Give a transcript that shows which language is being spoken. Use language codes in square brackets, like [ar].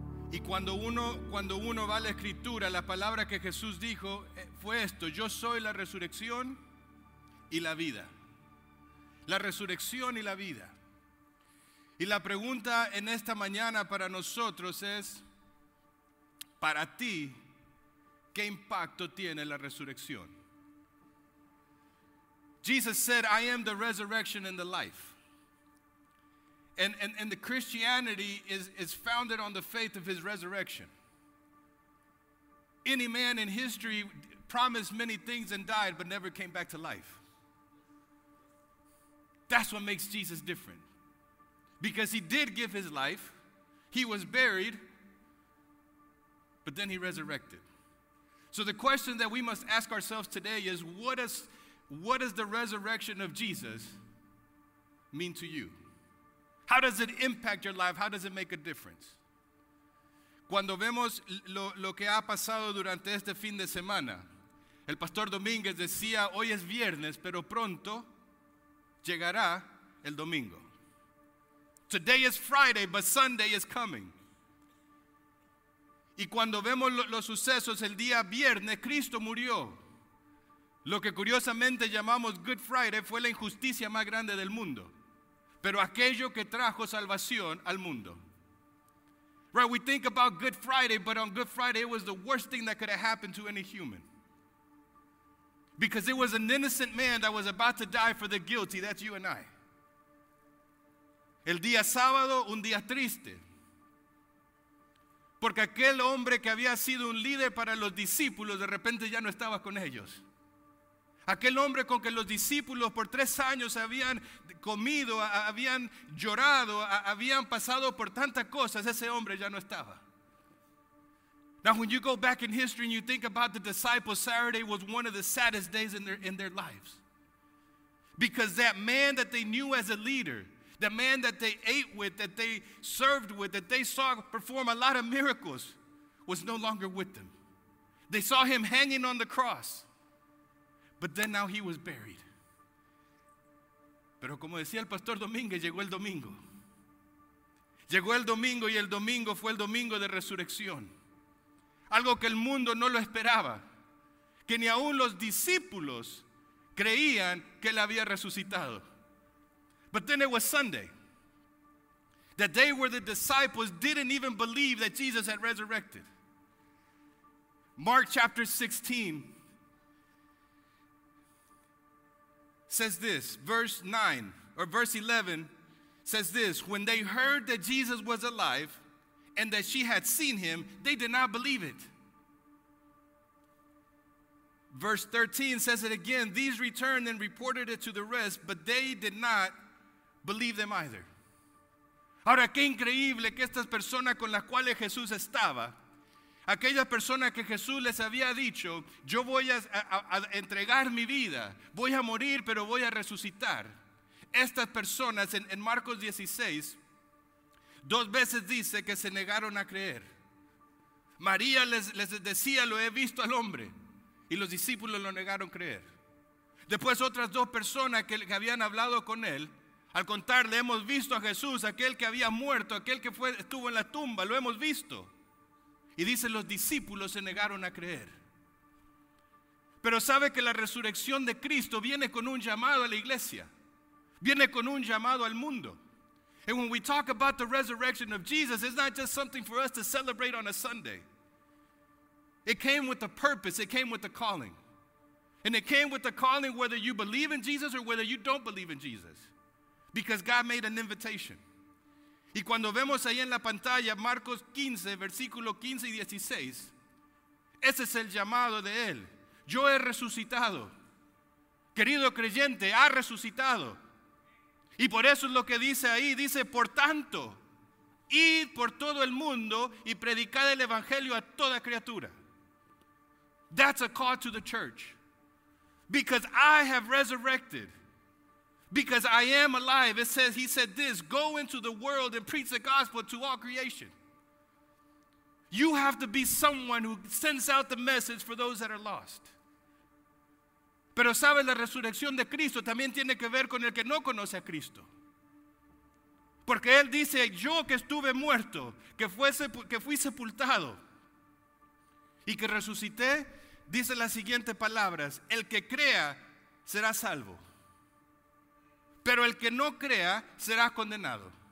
[es] Y cuando uno va a la escritura, la palabra que Jesús dijo fue esto: yo soy la resurrección y la vida. La resurrección y la vida. Y la pregunta en esta mañana para nosotros es: para ti, ¿qué impacto tiene la resurrección? [en] Jesus said, I am the resurrection and the life. And the Christianity is founded on the faith of his resurrection. Any man in history promised many things and died, but never came back to life. That's what makes Jesus different. Because he did give his life, he was buried, but then he resurrected. So the question that we must ask ourselves today is, what does the resurrection of Jesus mean to you? How does it impact your life? How does it make a difference? [es] Cuando vemos lo que ha pasado durante este fin de semana, el pastor Domínguez decía, hoy es viernes, pero pronto llegará el domingo. [en] Today is Friday, but Sunday is coming. [es] Y cuando vemos los sucesos el día viernes, Cristo murió. Lo que curiosamente llamamos Good Friday fue la injusticia más grande del mundo, pero aquello que trajo salvación al mundo. [en] Right, we think about Good Friday, but on Good Friday it was the worst thing that could have happened to any human. Because it was an innocent man that was about to die for the guilty, that's you and I. [es] El día sábado, un día triste. Porque aquel hombre que había sido un líder para los discípulos, de repente ya no estaba con ellos. Aquel hombre con que los discípulos por 3 años habían comido, habían llorado, habían pasado por tantas cosas, ese hombre ya no estaba. [en] Now when you go back in history and you think about the disciples, Saturday was one of the saddest days in their lives. Because that man that they knew as a leader, the man that they ate with, that they served with, that they saw perform a lot of miracles, was no longer with them. They saw him hanging on the cross. But then now he was buried. [es] Pero como decía el pastor Domínguez, llegó el domingo. Llegó el domingo y el domingo fue el domingo de resurrección. Algo que el mundo no lo esperaba. Que ni aún los discípulos creían que él había resucitado. [en] But then it was Sunday. The day where the disciples didn't even believe that Jesus had resurrected. Mark chapter 16 says this, verse 11 says this: when they heard that Jesus was alive and that she had seen him, they did not believe it. Verse 13 says it again: these returned and reported it to the rest, but they did not believe them either. [es] Ahora, qué increíble que estas personas con las cuales Jesús estaba, aquellas personas que Jesús les había dicho, yo voy a entregar mi vida, voy a morir, pero voy a resucitar. Estas personas en Marcos 16, dos veces dice que se negaron a creer. María les decía, lo he visto al hombre, y los discípulos lo negaron a creer. Después otras dos personas que habían hablado con él, al contarle, hemos visto a Jesús, aquel que había muerto, aquel que estuvo en la tumba, lo hemos visto. Y dice, los discípulos se negaron a creer. Pero sabe que la resurrección de Cristo viene con un llamado a la iglesia. Viene con un llamado al mundo. [en] And when we talk about the resurrection of Jesus, it's not just something for us to celebrate on a Sunday. It came with a purpose. It came with a calling. And it came with a calling whether you believe in Jesus or whether you don't believe in Jesus. Because God made an invitation. [es] Y cuando vemos ahí en la pantalla Marcos 15, versículo 15 y 16, ese es el llamado de él. Yo he resucitado. Querido creyente, ha resucitado. Y por eso es lo que dice ahí, dice, por tanto, id por todo el mundo y predicad el evangelio a toda criatura. [en] That's a call to the church. Because I have resurrected. Because I am alive, it says, he said this, go into the world and preach the gospel to all creation. You have to be someone who sends out the message for those that are lost. [es] Pero sabe, la resurrección de Cristo también tiene que ver con el que no conoce a Cristo. Porque Él dice, yo que estuve muerto, que fui sepultado y que resucité, dice las siguientes palabras, el que crea será salvo, pero el que no crea será condenado.